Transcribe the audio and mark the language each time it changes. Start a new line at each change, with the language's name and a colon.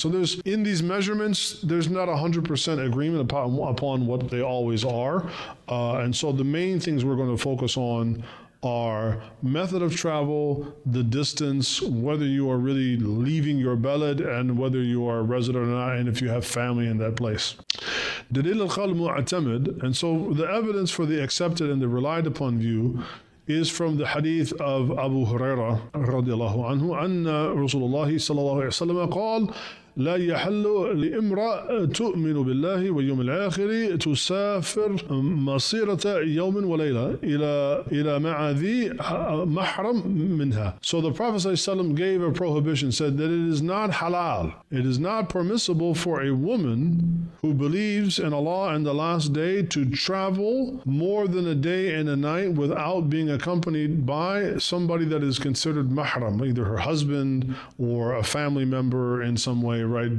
English: So there's, in these measurements, there's not 100% agreement upon what they always are. And so the main things we're going to focus on are method of travel, the distance, whether you are really leaving your balad, and whether you are a resident or not, and if you have family in that place.
Arabic: دليل القول المعتمد,
English: and so the evidence for the accepted and the relied upon view is from the hadith of Abu Huraira
Arabic: رضي الله عنه أن رسول الله صلى الله عليه وسلم قال لا يحل لامرأة تؤمن بالله واليوم الآخر تسافر مصيرة يوم وليلة إلى مع ذي محرم منها.
English: So the Prophet
Arabic: صلى الله عليه وسلم
English: gave a prohibition, said that it is not halal, it is not permissible for a woman who believes in Allah and the last day to travel more than a day and a night without being accompanied by somebody that is considered mahram, either her husband or a family member in some way, right?